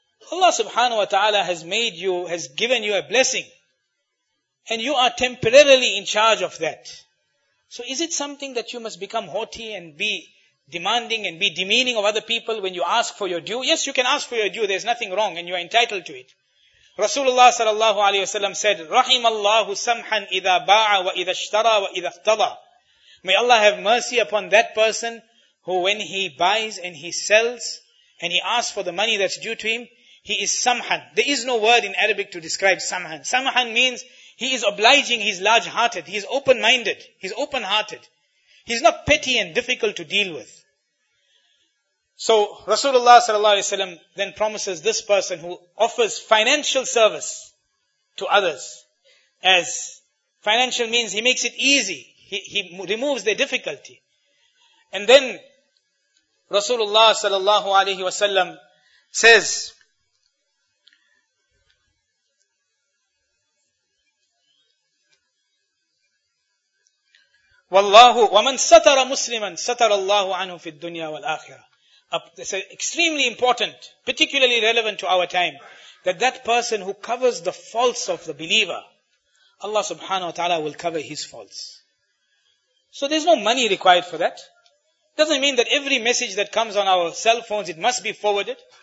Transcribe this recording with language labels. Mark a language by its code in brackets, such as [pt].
[en] Allah subhanahu wa ta'ala has given you a blessing. And you are temporarily in charge of that. So is it something that you must become haughty and be demanding and be demeaning of other people when you ask for your due? Yes, you can ask for your due. There's nothing wrong and you are entitled to it. Rasulullah sallallahu alayhi wa sallam said, [ar] رحم الله سمحا إذا باع وإذا اشترى وإذا اختضى. [en] May Allah have mercy upon that person who when he buys and he sells and he asks for the money that's due to him, he is samhan. There is no word in Arabic to describe samhan. Samhan means he is obliging, he is large-hearted, he is open-minded, he is open-hearted. He is not petty and difficult to deal with. So Rasulullah sallallahu alaihi wasallam then promises this person who offers financial service to others. As financial means he makes it easy, he removes their difficulty. And then Rasulullah sallallahu alaihi wasallam says, [ar] وَاللَّهُ وَمَنْ سَتَرَ مُسْلِمًا سَتَرَ اللَّهُ عَنْهُ فِي الدُّنْيَا وَالْآخِرَةِ. [en] It's extremely important, particularly relevant to our time, that person who covers the faults of the believer, Allah subhanahu wa ta'ala will cover his faults. So there's no money required for that. Doesn't mean that every message that comes on our cell phones, it must be forwarded.